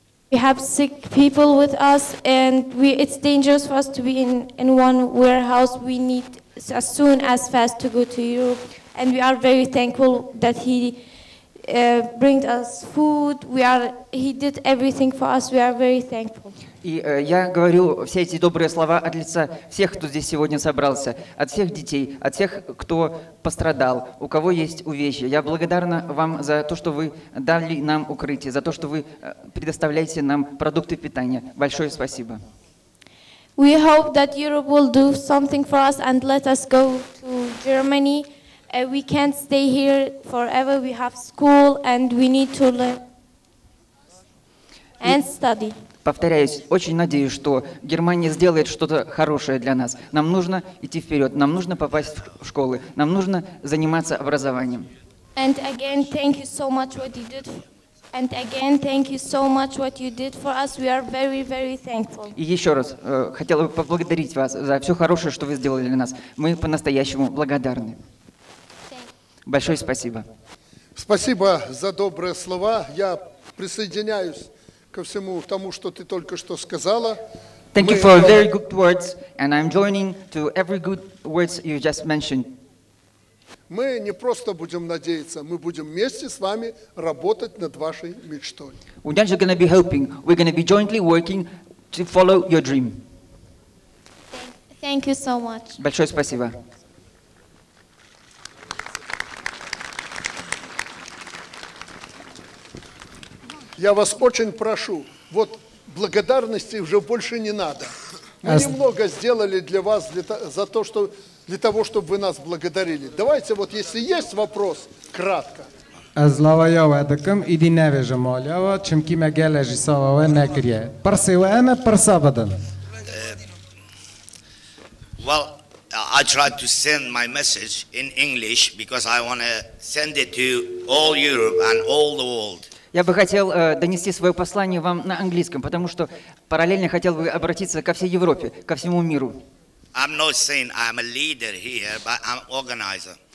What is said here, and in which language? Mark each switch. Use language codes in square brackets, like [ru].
[en] We have sick people with us, and it's dangerous for us to be in one warehouse. We need as soon as fast to go to Europe, and we are very thankful that he brought us food. He did everything for us. We are very thankful. [ru] И я говорю все эти добрые слова от лица всех, кто здесь сегодня собрался, от всех детей, от всех, кто пострадал, у кого есть увечья. Я благодарна вам за то, что вы дали нам укрытие, за то, что вы предоставляете нам продукты питания. Большое спасибо. [en] We hope that Europe will do something for us and let us go to Germany. We can't stay here forever. We have school and we need to learn and study. [ru] Повторяюсь, очень надеюсь, что Германия сделает что-то хорошее для нас. Нам нужно идти вперед, нам нужно попасть в школы, нам нужно заниматься образованием. [en] And again, thank you so much what you did. And again, thank you so much what you did for us. We are very, very thankful. [ru] И еще раз хотела бы поблагодарить вас за все хорошее, что вы сделали для нас. Мы по-настоящему благодарны. Большое спасибо. Спасибо за добрые слова. Я присоединяюсь ко всему тому, что ты только что сказала. [en] Thank you for very good words, and I'm joining to every good words you just mentioned. [ru] Мы не просто будем надеяться, мы будем вместе с вами работать над вашей мечтой. [en] We're not just going to be helping, we're going to be jointly working to follow your dream. Thank you so much. [ru] Большое спасибо. Я вас очень прошу, вот благодарности уже больше не надо. Мы немного сделали для вас, для того, чтобы вы нас благодарили. Давайте вот, если есть вопрос, кратко. Слава Яву Адакам, иди не вижу молява, чем кима гележи сава ве не крия. Парси ве не, парса бадан. [en] Well, I tried to send my message in English, because I want to send it to all Europe and all the world. [ru] Я бы хотел донести свое послание вам на английском, потому что параллельно хотел бы обратиться ко всей Европе, ко всему миру. [en] I'm not saying I'm a leader here, but I'm organizer.